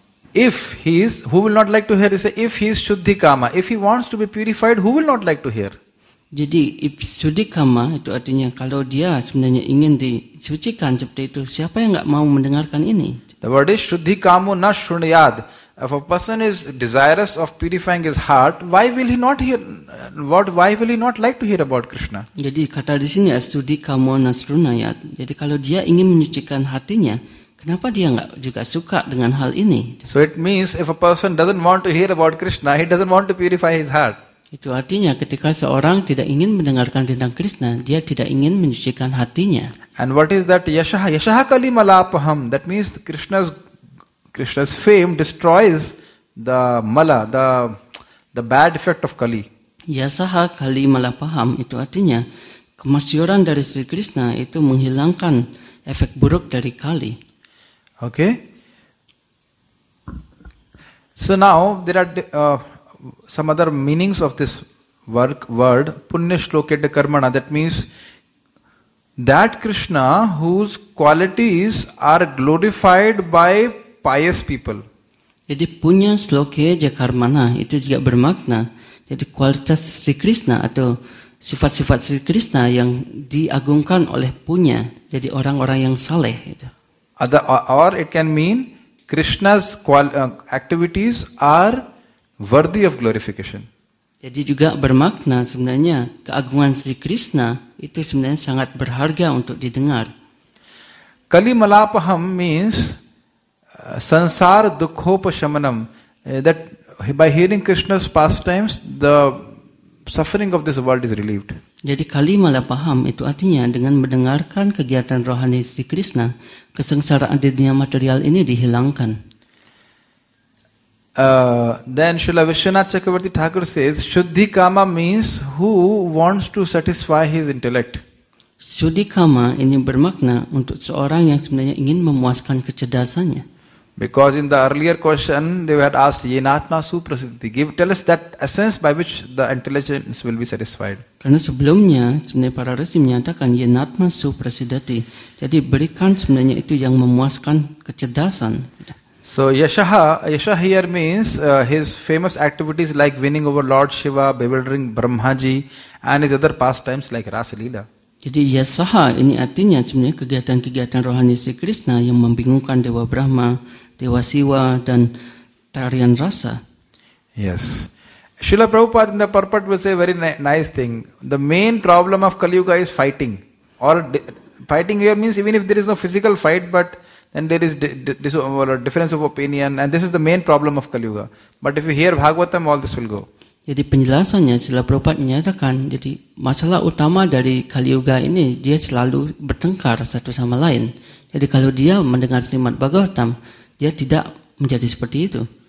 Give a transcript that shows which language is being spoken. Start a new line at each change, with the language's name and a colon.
English: If he is, who will not like to hear? Is if he is Shuddhi Kama, if he wants to be purified, who will not like to hear?
Indonesian: Jadi if Shuddhi Kama itu artinya kalau dia sebenarnya ingin disucikan seperti itu, siapa yang enggak mau mendengarkan ini?
English: The word is Shuddhi Kamo na Shunyad. If a person is desirous of purifying his heart, why will he not hear? Why will he not like to hear about Krishna?
Indonesian: Jadi kata di sini Shuddhi Kamo na Shunyad. Jadi kalau dia ingin menyucikan hatinya, kenapa dia enggak juga suka dengan hal ini?
English: So it means if a person doesn't want to hear about Krishna, he doesn't want to purify his heart.
Indonesian: Itu artinya ketika seorang tidak ingin mendengarkan tentang Krishna, dia tidak ingin menyucikan hatinya.
English: And what is that yashah? Yashah kali malapaham. That means Krishna's fame destroys the mala, the bad effect of kali.
Indonesian: Yashah kali malapaham itu artinya kemasyuran dari Sri Krishna itu menghilangkan efek buruk dari kali.
English: Okay. So now there are some other meanings of this word punya shloke dya karmana. That means that Krishna whose qualities are glorified by pious people.
Indonesian: Jadi punya shloke dya karmana itu juga bermakna, jadi kualitas Sri Krishna atau sifat-sifat Sri Krishna yang diagungkan oleh punya, jadi orang-orang yang saleh.
English: Or it can mean Krishna's activities are worthy of glorification.
Indonesian: Jadi juga bermakna sebenarnya keagungan Sri Krishna itu sebenarnya sangat berharga untuk didengar.
English: Kalimalapaham means sansar dukhopashamanam. That by hearing Krishna's pastimes, the suffering of this world is relieved.
Indonesian: Jadi kalimalapaham itu artinya dengan mendengarkan kegiatan rohani Sri Krishna, kesengsaraan di dunia material ini dihilangkan.
English: Then Srila Vishwanath Chakravarti Thakur says, Shuddhi Kama means who wants to satisfy his intellect.
Indonesian: Shuddhi Kama ini bermakna untuk seorang yang sebenarnya ingin memuaskan kecerdasannya.
English: Because in the earlier question, they had asked, Yenatma Suprasiddhi, tell us that essence by which the intelligence will be satisfied.
Indonesian: Karena sebelumnya, sebenarnya para resi menyatakan, Yenatma Suprasiddhi, jadi berikan sebenarnya itu yang memuaskan kecerdasan.
English: So yashah here means his famous activities like winning over Lord Shiva, bewildering Brahmaji, and his other pastimes like Rasa Leela.
Indonesian: Jadi yasaha ini artinya sebenarnya kegiatan-kegiatan rohani Sri Krishna yang membingungkan Dewa Brahma, Dewa Siwa dan tarian rasa.
English: Yes. Srila Prabhupada in the purport will say very nice thing. The main problem of Kali Yuga is fighting. Or fighting here means even if there is no physical fight, but then there is difference of opinion, and this is the main problem of Kali Yuga. But if you hear Bhagavatam, all this will go.
Indonesian: Jadi penjelasannya Srila Prabhupada menyatakan, jadi masalah utama dari Kali Yuga ini, dia selalu bertengkar satu sama lain. Jadi kalau dia mendengar Srimad Bhagavatam, dia tidak menjadi seperti itu.